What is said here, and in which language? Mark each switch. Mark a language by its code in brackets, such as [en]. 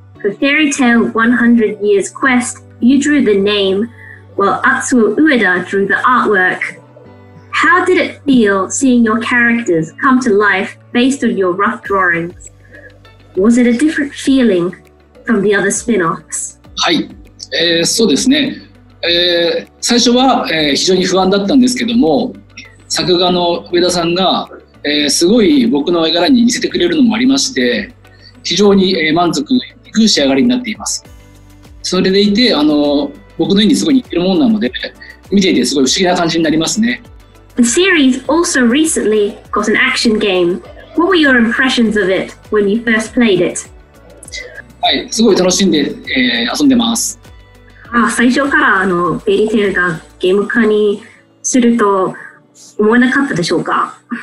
[en] For Fairy Tail 100 Years Quest, you drew the name, while Atsuo Ueda drew the artwork. How did it feel seeing your characters come to life based on your rough drawings? Was it a different feeling from the other spin-offs? [ja] はい、そうですね。最初は、非常に不安だったんですけども、作画の上田さんが、すごい僕の絵柄に似せてくれるのもありまして、非常に、満足いく仕上がりになっています。それでいて、僕の絵にすごい似てるものなので、見ていてすごい不思議な感じになりますね。 [en] The series also recently got an action game. What were your impressions of it when you first played it? [ja] はい、すごい楽しんで、遊んでます。あ、最初からフェリーテールがゲーム化にすると思わなかったでしょうか？